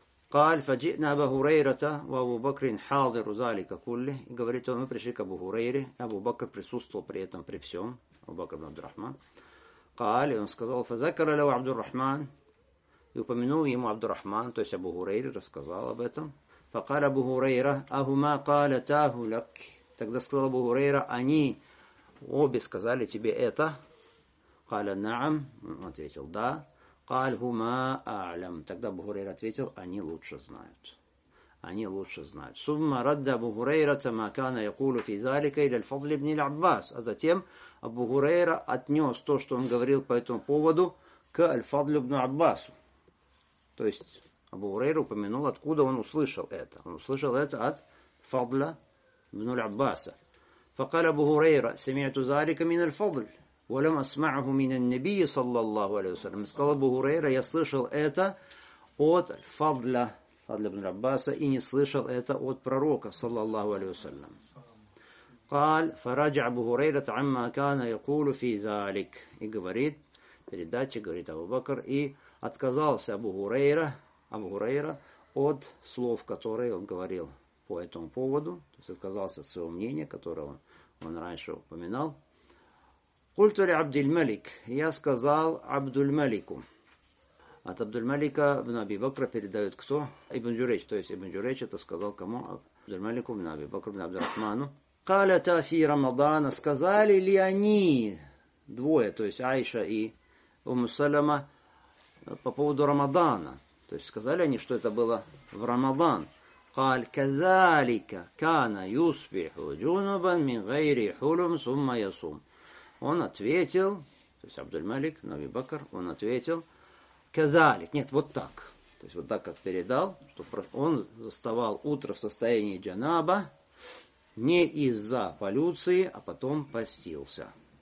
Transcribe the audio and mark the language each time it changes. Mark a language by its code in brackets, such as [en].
[ar] قال فجئنا أبو هريرة وأبو بكر حاضر ذلك كله. [ru] говорит он, мы пришли к Абу Хурейре, Абу Бакр присутствовал при этом при всем. Абу Бакр ибн Абдур-Рахман. قال, и он сказал, [ar] فذكر له عبد الرحمن, [ru] и упомянул ему عبد الرحمن, то есть Абу Хурейре рассказал об этом. [ar] فقال أبو هريرة أهما قالتاه لك, [ru] тогда сказал Абу Хурейра, они обе сказали тебе это. [ar] قال نعم, [ru] он ответил да. [ar] قال هما أعلم, [ru] тогда Абу Хурейра ответил, они лучше знают, они лучше знают. [ar] ثم رد أبو هريرة ما كان يقول في ذلك إلى الفضل بن العباس, [ru] а затем Абу Хурейра отнес то, что он говорил по этому поводу, к Аль-Фадлю ибн Аббасу. То есть Абу Хурейра упомянул, откуда он услышал это. Он услышал это от Фадля ибн Аббаса. [ar] فقال أبو هريرة سمعت ذلك من الفضل ولم أسمعه من النبي صلى الله عليه وسلم. [ru] Сказал Абу Хурейра, я слышал это от Фадля, Фадля ибн Аббаса, и не слышал это от пророка [ar] صلى الله عليه وسلم. قال فرجع أبو هريرة عما كان يقول في ذلك, [ru] и говорит передатчик, говорит Абу Бакр, и отказался Абу Хурейра от слов, которые он говорил по этому поводу, то есть отказался от своего мнения, которое он раньше упоминал. [ar] قلت لعبد الملك, [ru] я сказал [ar] عبد الملك. [ru] От عبد الملك ابن أبي بكر передает кто? Ибн Джурейч, то есть Ибн Джурейч это сказал кому? [ar] عبد الملك ابن أبي بكر ابن عبد الرحمن. قالتا في رمضان, [ru] сказали ли они двое, то есть Айша и Умму Салама, по поводу Рамадана, то есть сказали они, что это было в Рамадан. [ar] قال كذلك كان يصبح جنبا من غير حلم ثم يصوم. [ru] Он ответил, то есть Абдуль-Малик, Наби Бакр, он ответил, казалик, нет, вот так. То есть вот так, как передал, что он заставал утро в состоянии джанаба не из-за полюции, а потом постился.